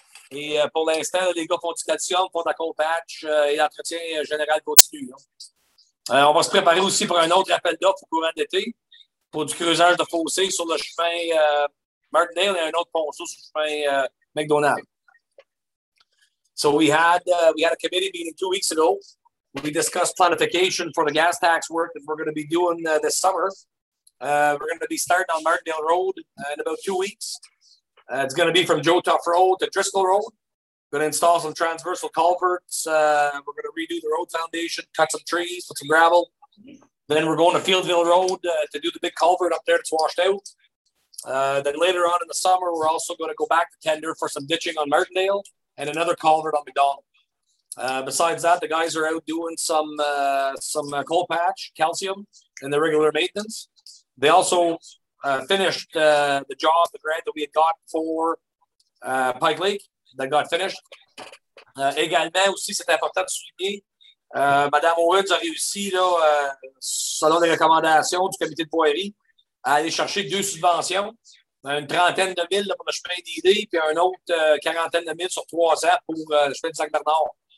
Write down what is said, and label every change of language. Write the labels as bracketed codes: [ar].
[fr] Et pour l'instant, là, les gars font du calcium, font de la cold patch et l'entretien général continue. Là. On va se préparer aussi pour un autre appel d'offres au courant d'été pour du creusage de fossés sur le chemin Martindale et un autre ponceau sur le chemin McDonald. [en] So we had a committee meeting 2 weeks ago. We discussed planification for the gas tax work that we're going to be doing this summer. We're going to be starting on Martindale Road in about 2 weeks. It's going to be from Joe Tuff Road to Driscoll Road. We're going to install some transversal culverts. We're going to redo the road foundation, cut some trees, put some gravel. Then we're going to Fieldville Road to do the big culvert up there that's washed out. Then later on in the summer, we're also going to go back to tender for some ditching on Martindale and another culvert on McDonald. Besides that, the guys are out doing some coal patch, calcium, and the regular maintenance. They also finished the job, the grant that we had got for Pike Lake that got finished. [fr] Également, aussi, c'est important de souligner, Madame Owens a réussi, là, selon les recommandations du comité de voirie, à aller chercher 2 subventions, une 30 000 $ pour le chemin d'idée, puis un autre 40 000 $ sur 3 ans pour le chemin de Saint-Bernard.